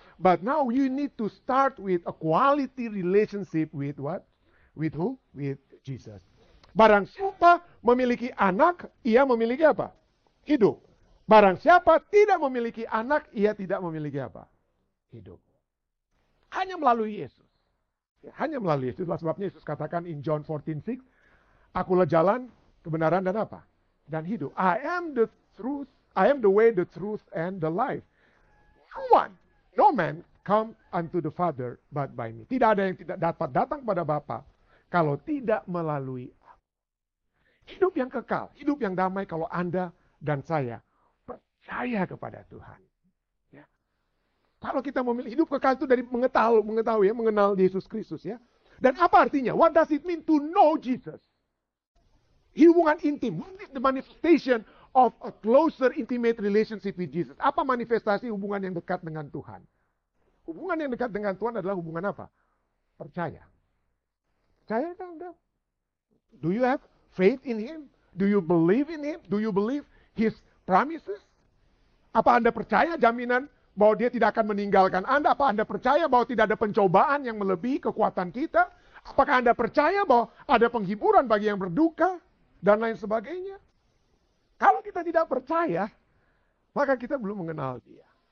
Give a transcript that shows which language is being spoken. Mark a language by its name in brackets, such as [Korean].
[English] But now you need to start with a quality relationship with what? With who? With Jesus. [Indonesian] Barang siapa memiliki anak, ia memiliki apa? Hidup. Barang siapa tidak memiliki anak, ia tidak memiliki apa? Hidup. Hanya melalui Yesus. Hanya melalui Yesus. Itulah sebabnya Yesus katakan [English] in John 14:6, [Indonesian] akulah jalan, kebenaran, dan apa? Dan hidup. [English] I am the truth, I am the way, the truth, and the life. No man come unto the Father but by me. [Indonesian] Tidak ada yang tidak dapat datang kepada Bapa kalau tidak melalui aku. Hidup yang kekal, hidup yang damai kalau Anda dan saya percaya kepada Tuhan. Ya. Kalau kita memilih hidup kekal itu dari mengetahui ya, mengenal Yesus Kristus ya. Dan apa artinya? [English] What does it mean to know Jesus? [Indonesian] Hubungan intim. [English] What is the manifestation of a closer intimate relationship with Jesus? [Indonesian] Apa manifestasi hubungan yang dekat dengan Tuhan? Hubungan yang dekat dengan Tuhan adalah hubungan apa? Percaya. Percaya kan Anda? [English] Do you have faith in Him? Do you believe in Him? Do you believe His promises? [Indonesian] Apa Anda percaya jaminan bahwa Dia tidak akan meninggalkan Anda? Apa Anda percaya bahwa tidak ada pencobaan yang melebihi kekuatan kita? Apakah Anda percaya bahwa ada penghiburan bagi yang berduka? Dan lain sebagainya. Kalau kita tidak percaya, maka kita belum mengenal Dia.